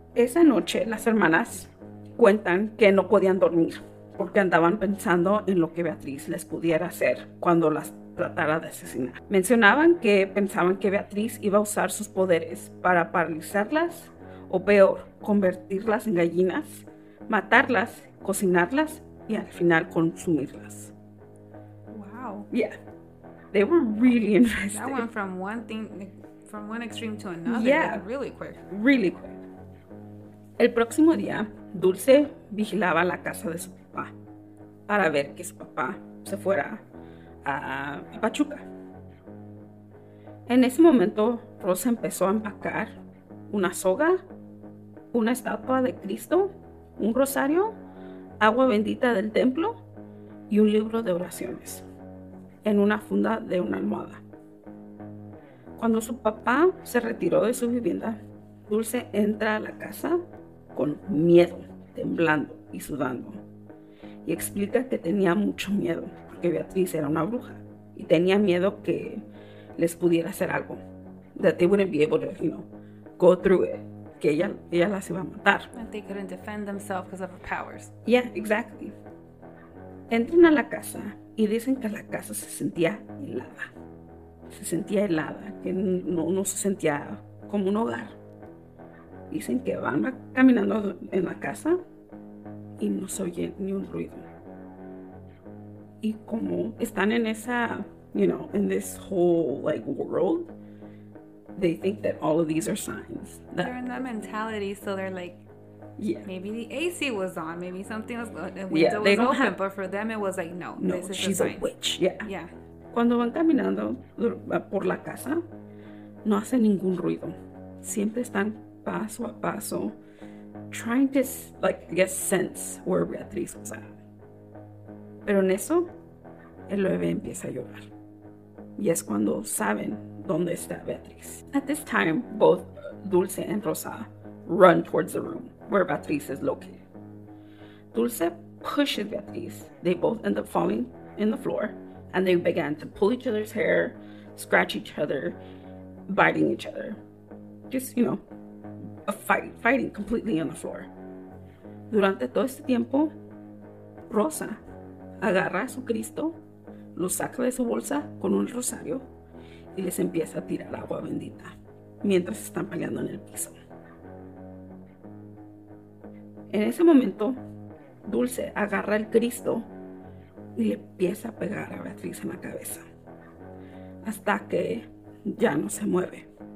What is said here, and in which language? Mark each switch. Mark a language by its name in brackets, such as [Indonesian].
[Spanish] Esa noche, las hermanas cuentan que no podían dormir porque andaban pensando en lo que Beatriz les pudiera hacer cuando las tratara de asesinar. Mencionaban que pensaban que Beatriz iba a usar sus poderes para paralizarlas o peor, convertirlas en gallinas, matarlas, cocinarlas y al final consumirlas. [English] Wow. Yeah. They were really interested. That went from one thing, from one extreme to another. Yeah. Really quick. Really quick. [Spanish] El próximo día, Dulce vigilaba la casa de su papá para ver que su papá se fuera a Pachuca. En ese momento, Rosa empezó a empacar una soga, una estatua de Cristo, un rosario, agua bendita del templo y un libro de oraciones en una funda de una almohada. Cuando su papá se retiró de su vivienda, Dulce entra a la casa con miedo, temblando y sudando, y explica que tenía mucho miedo porque Beatriz era una bruja y tenía miedo que les pudiera hacer algo, [English] that they wouldn't be able to, you know, go through it, [Spanish] que ella las iba a matar. [English] That they couldn't defend themselves because of her powers. Yeah, exactly. [Spanish] Entran a la casa y dicen que la casa se sentía helada. Se sentía helada, que no se sentía como un hogar. Dicen que van caminando en la casa y no se oye ni un ruido. Y como están en esa, [English] you know, in this whole, like, world, they think that all of these are signs. That they're in that mentality, so they're like, yeah, maybe the AC was on, maybe something was, the window was open, but for them it was like, no this is she's a sign. Witch, yeah. Yeah. [Spanish] Cuando van caminando por la casa, no hacen ningún ruido. Siempre están paso a paso, [English] trying to, like, I guess, sense where Beatriz was at. [Spanish] Pero en eso, el bebé empieza a llorar. Y es cuando saben dónde está Beatriz. [English] At this time, both Dulce and Rosa run towards the room where Beatriz is located. Dulce pushes Beatriz. They both end up falling in the floor, and they began to pull each other's hair, scratch each other, biting each other. Just, you know, a fight, fighting completely on the floor. [Spanish] Durante todo este tiempo, Rosa agarra a su Cristo, lo saca de su bolsa con un rosario y les empieza a tirar agua bendita mientras están peleando en el piso. En ese momento, Dulce agarra el Cristo y le empieza a pegar a Beatriz en la cabeza hasta que ya no se mueve.